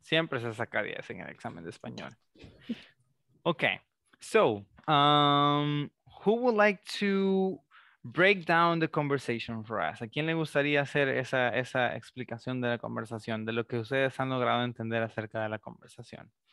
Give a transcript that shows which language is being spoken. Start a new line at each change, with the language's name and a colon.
Spanish: Siempre se saca 10 en el examen de español.
English: Okay. So, who would like to break down the conversation for us?
Spanish: ¿A quién le gustaría hacer esa explicación de la conversación, de lo que ustedes han logrado entender acerca de la conversación?